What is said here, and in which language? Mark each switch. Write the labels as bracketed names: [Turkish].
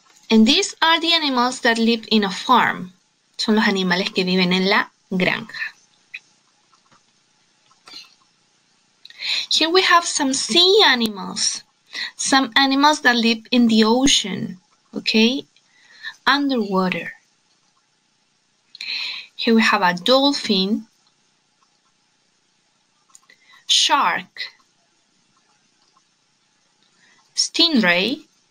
[English] And these are the animals that live in a farm. [Spanish] Son los animales que viven en la granja. [English] Here we have some sea animals, some animals that live in the ocean, okay, underwater. Here we have a dolphin, shark, stingray,